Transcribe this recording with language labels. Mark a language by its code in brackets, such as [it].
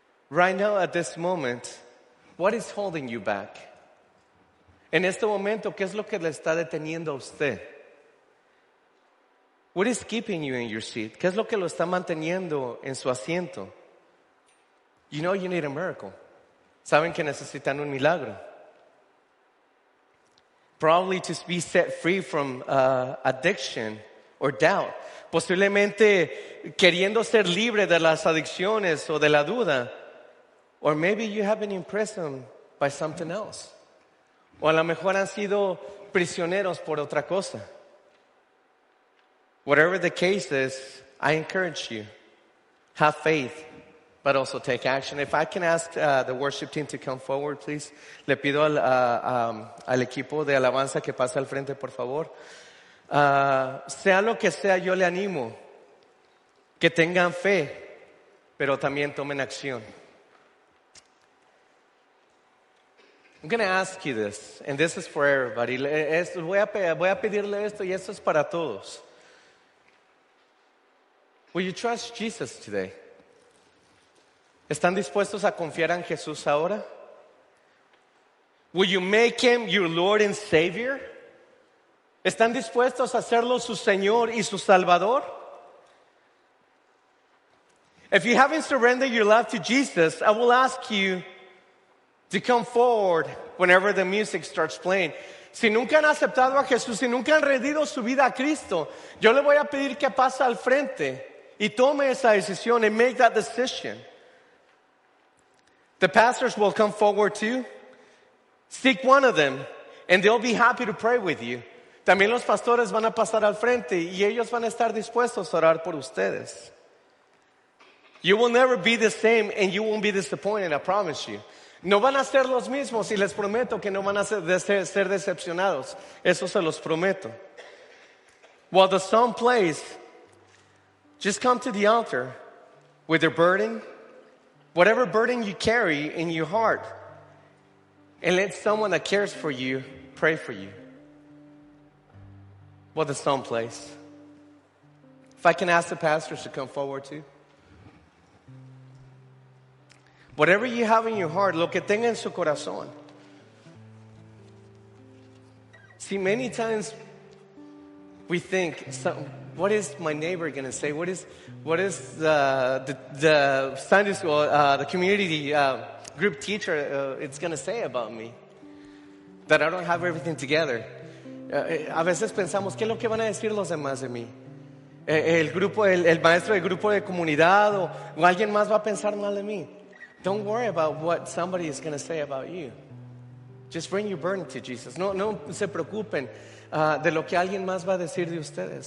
[en] Right now, at this moment, what is holding you back? [es] En este momento, ¿qué es lo que le está deteniendo a usted? [en] What is keeping you in your seat? [es] ¿Qué es lo que lo está manteniendo en su asiento? [en] You know you need a miracle. [es] Saben que necesitan un milagro. [en] Probably to be set free from addiction or doubt. [es] Posiblemente queriendo ser libre de las adicciones o de la duda. [en] Or maybe you have been imprisoned by something else. [es] O a lo mejor han sido prisioneros por otra cosa. [en] Whatever the case is, I encourage you, have faith. but also take action. If I can ask the worship team to come forward, please. [es] Le pido al al equipo de alabanza que pase al frente, por favor. Sea lo que sea, yo le animo que tengan fe, pero también tomen acción. [en] I'm going to ask you this, and this is for everybody. [es] Voy a pedirle esto, y esto es para todos. [en] Will you trust Jesus today? [es] ¿Están dispuestos a confiar en Jesús ahora? [en] Will you make him your Lord and Savior? [es] ¿Están dispuestos a hacerlo su Señor y su Salvador? [en] If you haven't surrendered your life to Jesus, I will ask you to come forward whenever the music starts playing. [es] Si nunca han aceptado a Jesús, si nunca han rendido su vida a Cristo, yo le voy a pedir que pase al frente y tome esa decisión, [en] and make that decision. The pastors will come forward too. Seek one of them, and they'll be happy to pray with you. [es] También los pastores van a pasar al frente, y ellos van a estar dispuestos a orar por ustedes. [en] You will never be the same, and you won't be disappointed, I promise you. [es] No van a ser los mismos, y les prometo que no van a ser decepcionados. Eso se los prometo. [en] While the song plays, just come to the altar with your burden, whatever burden you carry in your heart, and let someone that cares for you pray for you. While the song plays, if I can ask the pastors to come forward too. Whatever you have in your heart, [es] lo que tenga en su corazón. [en] See, many times we think, so what is my neighbor going to say? What is the Sunday school, the community group teacher it's going to say about me? That I don't have everything together. [es] A veces pensamos, ¿qué es lo que van a decir los demás de mí? El grupo, el maestro del grupo de comunidad o alguien más va a pensar mal de mí. [en] Don't worry about what somebody is going to say about you. Just bring your burden to Jesus. [es] No se preocupen de lo que alguien más va a decir de ustedes.